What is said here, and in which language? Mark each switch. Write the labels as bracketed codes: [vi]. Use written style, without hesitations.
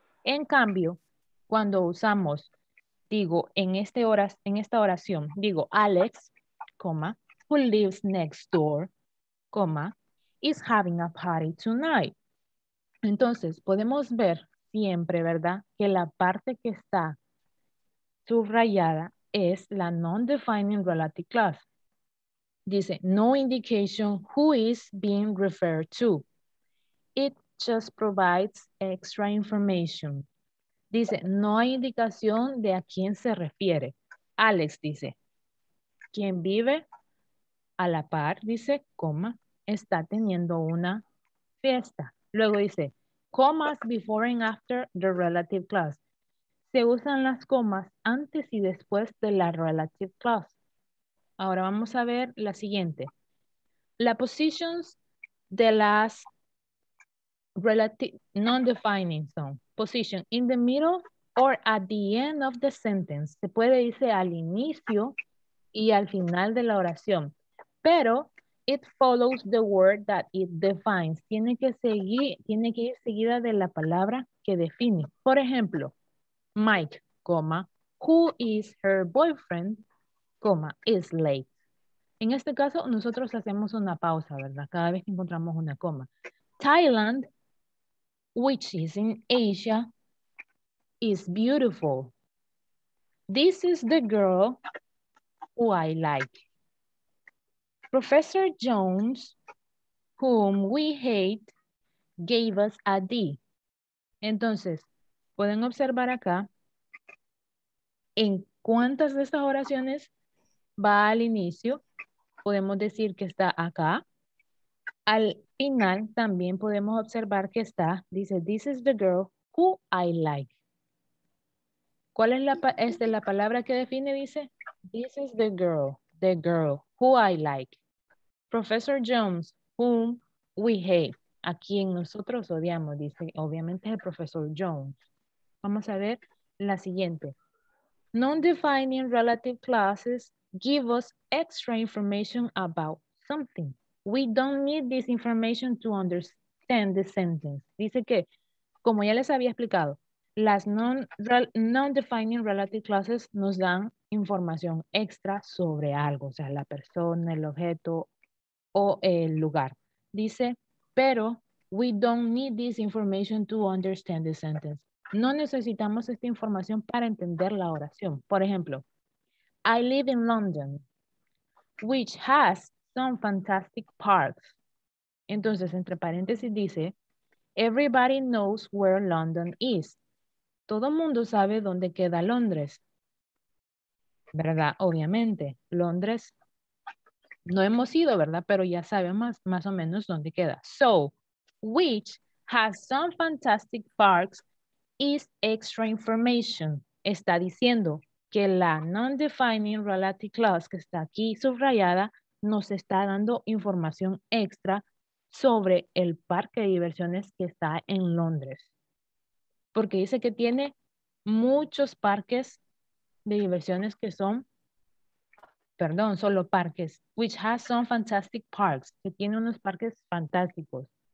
[es] En cambio, cuando usamos, digo, en esta oración, digo, [en] Alex, comma, who lives next door, comma, is having a party tonight. [es] Entonces, podemos ver siempre, ¿verdad?, que la parte que está subrayada es la non-defining relative clause. [en] Dice, no indication who is being referred to. It just provides extra information. [es] Dice, no hay indicación de a quién se refiere. Alex dice, quien vive a la par, dice, coma, está teniendo una fiesta. Luego dice, [en] commas before and after the relative clause. [es] Se usan las comas antes y después de la relative clause. Ahora vamos a ver la siguiente. La positions de las relative non-defining son [en] position in the middle or at the end of the sentence. [es] Se puede decir al inicio y al final de la oración. [en] Pero it follows the word that it defines. [es] Tiene que ir seguida de la palabra que define. Por ejemplo, [en] Mike, comma, who is her boyfriend? Coma, is late. [es] En este caso, nosotros hacemos una pausa, ¿verdad? Cada vez que encontramos una coma. [en] Thailand, which is in Asia, is beautiful. This is the girl who I like. Professor Jones, whom we hate, gave us a D. [es] Entonces, pueden observar acá en cuántas de estas oraciones va al inicio, podemos decir que está acá. Al final también podemos observar que está, dice, [en] this is the girl who I like. [es] ¿Cuál es la palabra que define? [en] Dice, this is the girl who I like. Professor Jones, whom we hate. [es] A quien nosotros odiamos, dice, obviamente es el profesor Jones. Vamos a ver la siguiente. [en] Non-defining relative clauses give us extra information about something. We don't need this information to understand the sentence. [es] Dice que, como ya les había explicado, las non-defining relative clauses nos dan información extra sobre algo, o sea, la persona, el objeto o el lugar. Dice, pero [en] we don't need this information to understand the sentence. [es] No necesitamos esta información para entender la oración. Por ejemplo, [en] I live in London, which has some fantastic parks. [es] Entonces, entre paréntesis dice, [en] everybody knows where London is. [es] Todo mundo sabe dónde queda Londres. ¿Verdad? Obviamente, Londres. No hemos ido, ¿verdad? Pero ya sabemos más o menos dónde queda. [en] So, which has some fantastic parks is extra information. [es] Está diciendo que la non-defining relative clause que está aquí subrayada nos está dando información extra sobre el parque de diversiones que está en Londres. Porque dice que tiene muchos parques de diversiones que son, perdón, solo parques, [en] which has some fantastic parks, [es] que tiene unos parques fantásticos.